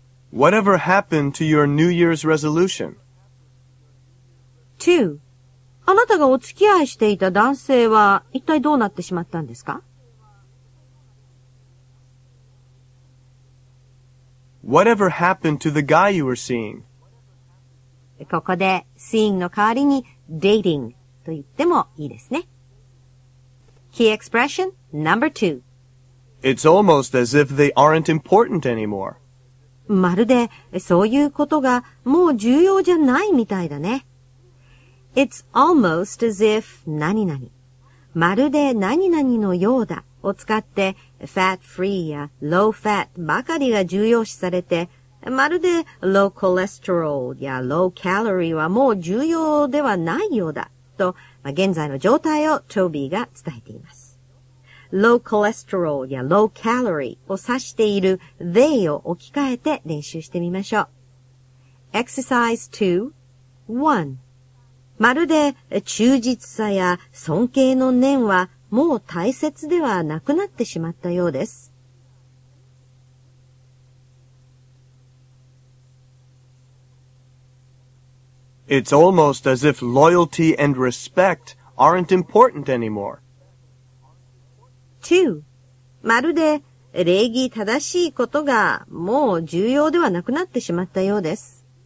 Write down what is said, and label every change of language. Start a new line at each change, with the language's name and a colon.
English: Whatever happened to your New Year's resolution? 2.
Japanese: あなたがお付き合いしていた男性は一体どうなってしまったんですか？
English: Whatever happened to the guy you were seeing?
Japanese: ここで seeing の代わりに dating と言ってもいいですね。
English: Key expression number 2. It's almost as if they aren't important anymore.
Japanese: まるでそういうことがもう重要じゃないみたいだね。
English: It's almost as if
Japanese: 何々。まるで何々のようだ。を使って、fat free や low fat ばかりが重要視されて、まるで low cholesterol や low calorie はもう重要ではないようだ、と、まあ、現在の状態をトビーが伝えています。 low cholesterol や low calorie を指している they を置き換えて練習してみましょう。
English: Exercise 2.1.
Japanese: まるで忠実さや尊敬の念は、もう大切ではなくなってしまったようです。
English: It's almost as if loyalty and respect aren't important anymore. 2.
Japanese: まるで礼儀正しいことがもう重要ではなくなってしまったようです。